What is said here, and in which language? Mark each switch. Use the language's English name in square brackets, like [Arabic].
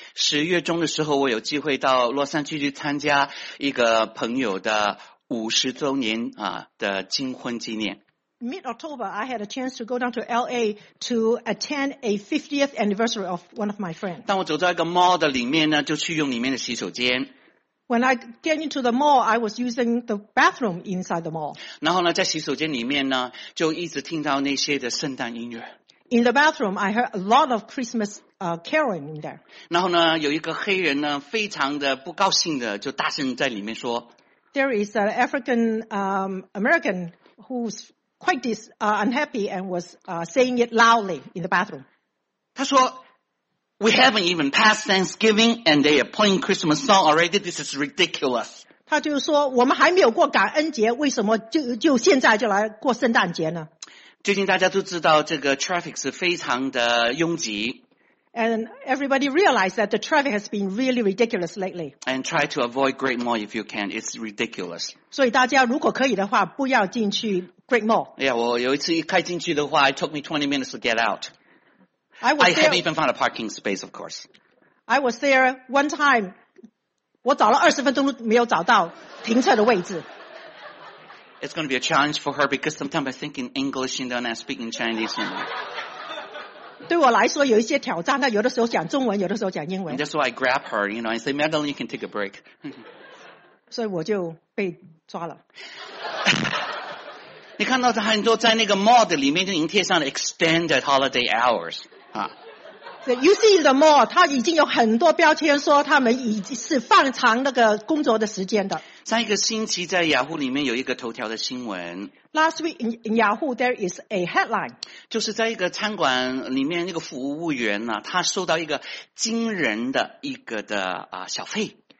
[Chinese] 10月中的时候，我有机会到洛杉矶去参加一个朋友的50周年啊的金婚纪念。 [English] Mid-October, I had a chance to go down to LA to attend a 50th anniversary of one of my friends. [Chinese] 当我走到一个 mall 的里面呢，就去用里面的洗手间。 [English] When I get into the mall, I was using the bathroom inside the mall. [Chinese] 然后呢，在洗手间里面呢，就一直听到那些的圣诞音乐。 [English] In the bathroom, I heard a lot of Christmas caroling in there. [Chinese] 然后呢，有一个黑人呢，非常的不高兴的，就大声在里面说。 [English] There is an African American who's quite unhappy and was saying it loudly in the bathroom. [Chinese] 他说。 [English] We haven't even passed Thanksgiving and they are playing Christmas song already. This is ridiculous. [Chinese] 他就说我们还没有过感恩节，为什么就现在就来过圣诞节呢？最近大家都知道这个 traffic 是非常的拥挤。 [English] And everybody realized that the traffic has been really ridiculous lately. And try to avoid Great Mall if you can. It's ridiculous. [Chinese] 所以大家如果可以的话，不要进去 Great Mall. [English] Yeah, [Chinese] 我有一次一开进去的话 [English] ，it took me 20 minutes to get out. I haven't even found a parking space, of course. I was there one time. [Chinese] 我找了20分钟没有找到停车的位置。 [English] It's going to be a challenge for her because sometimes I think in English and then I speak in Chinese. [Chinese] 对我来说有一些挑战，那有的时候讲中文，有的时候讲英文。 [English] And that's why I grab her, you know, and say, Madeline, you can take a break. [Chinese] 所以我就被抓了。你看到很多在那个 mall 里面就已经贴上了 [English] extended holiday hours. You see the mall, [Chinese] 它已经有很多标签说他们已经是放长那个工作的时间的。上一个星期在 Yahoo 里面有一个头条的新闻。 [English] Last week in Yahoo, there is a headline. [Chinese] 就是在一个餐馆里面那个服务员呢，他收到一个惊人的一个的小费。